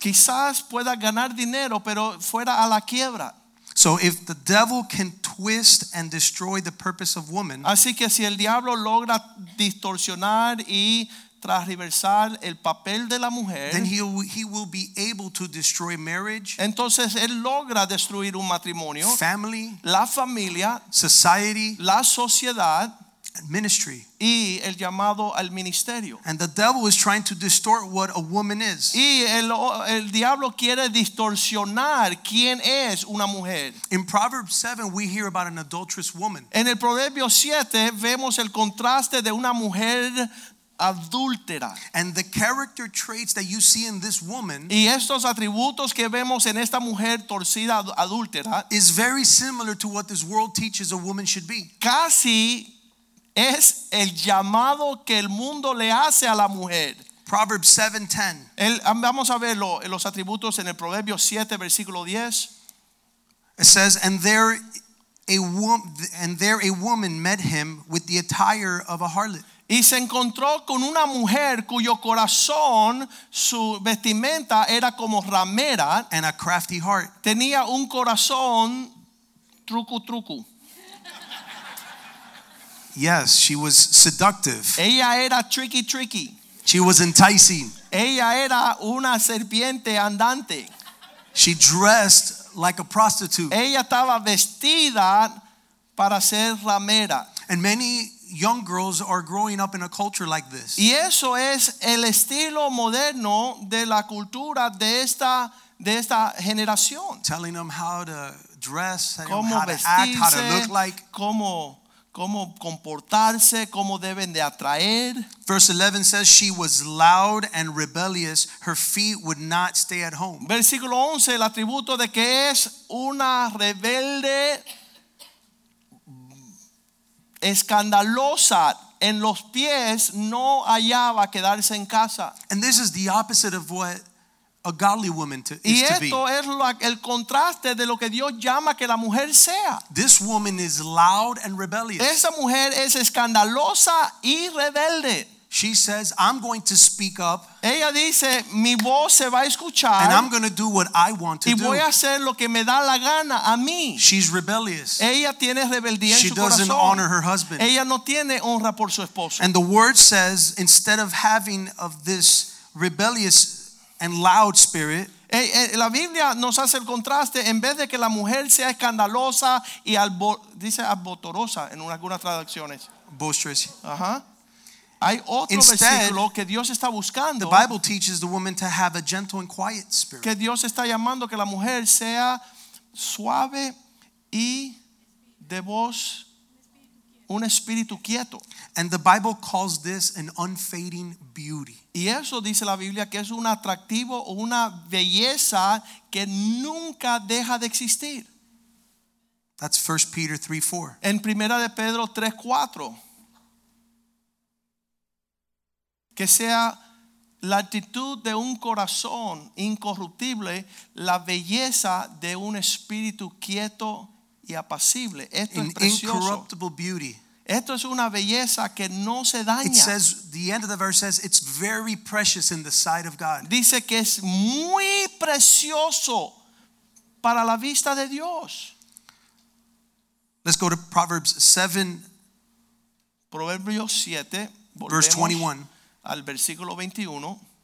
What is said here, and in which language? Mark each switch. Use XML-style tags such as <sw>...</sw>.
<es>Quizás pueda ganar dinero, pero fuera a la quiebra.</es> <en>So if the devil can twist and destroy the purpose of woman,</en> <es>así que si el diablo logra distorsionar y transversar el papel de la mujer,</es> <en>then he will be able to destroy marriage.</en> <es>Entonces él logra destruir un matrimonio,</es> <en>family,</en> <es>la familia,</es> <en>society,</en> <es>la sociedad,</es> <en>ministry,</en> <es>y el llamado al ministerio.</es> <en>And the devil is trying to distort what a woman is.</en> <es>Y el diablo quiere distorsionar quién es una mujer.</es> <en>In Proverbs 7 we hear about an adulterous woman.</en> <es>En el Proverbio 7 vemos el contraste de una mujer adúltera.</es> <en>And the character traits that you see in this woman,</en> <es>y estos atributos que vemos en esta mujer torcida adúltera,</es> <en>is very similar to what this world teaches a woman should be.</en> <es>Casi es el llamado que el mundo le hace a la mujer.</es> <en>Proverbs 7:10.</en> <es>Vamos a ver los atributos en el Proverbio 7, versículo 10.</es> <en>It says, and there a woman met him with the attire of a harlot.</en> <es>Y se encontró con una mujer cuyo corazón, su vestimenta era como ramera.</es> <en>And a crafty heart.</en> <es>Tenía un corazón truco truco.</es> <en>Yes, she was seductive.</en> <es>Ella era</es> <en>tricky tricky. She was enticing.</en> <es>Ella era una serpiente andante.</es> <en>She dressed like a prostitute.</en> <es>Ella estaba vestida para ser ramera.</es> <en>And many young girls are growing up in a culture like this.</en> <es>Y eso es el estilo moderno de la cultura de esta generación.</es> <en>Telling them how to dress,</en> <es>cómo</es> <en>how</en> <es>vestirse,</es> <en>to act, how to look like.</en> <es>Cómo comportarse, cómo deben de atraer.</es> <en>Verse 11 says she was loud and rebellious. Her feet would not stay at home.</en> <es>Versículo 11, el atributo de que es una rebelde escandalosa, en los pies no hallaba quedarse en casa.</es> <en>And this is the opposite of what a godly woman to, is</en> <es>y esto</es> <en>to be.</en> <es>Es el contraste de lo que Dios llama que la mujer sea.</es> <en>This woman is loud and rebellious.</en> <es>Esa mujer es escandalosa y rebelde.</es> <en>She says, I'm going to speak up.</en> <es>Ella dice, mi voz se va a escuchar.</es> <en>And I'm going to do what I want to do.</en> <es>Y voy a hacer lo que me da la gana a mí.</es> <en>She's rebellious.</en> <es>Ella tiene rebeldía en su</es> <en>She doesn't honor her husband.</en> <es>Ella no tiene honra por su esposo.</es> <en>And the word says, instead of having of this rebellious and loud spirit,</en> <es>la Biblia nos hace el contraste. En vez de que la mujer sea escandalosa y dice abotorosa en algunas traducciones,</es> <en>boisterous.</en> <es>Hay otro versículo que Dios está buscando.</es> <en>The Bible teaches the woman to have a gentle and quiet spirit.</en> <es>Que Dios está llamando que la mujer sea suave y de voz un espíritu quieto.</es> <en>And the Bible calls this an unfading beauty.</en> <es>Y eso dice la Biblia que es un atractivo o una belleza que nunca deja de existir.</es> <en>That's 1 Peter 3:4.</en> <es>En Primera de Pedro 3:4. Que sea la actitud de un corazón incorruptible, la belleza de un espíritu quieto y apacible. Esto</es> <en>an</en> <es>es precioso.</es> <en>Incorruptible beauty.</en> <es>Esto es una belleza que no se daña.</es> <en>It says, the end of the verse says, it's very precious in the sight of God.</en> <es>Dice que es muy precioso para la vista de Dios.</es> <en>Let's go to Proverbs 7.</en> <es>Proverbios 7.</es> <en>Verse 21.</en> <es>Al versículo 21.</es>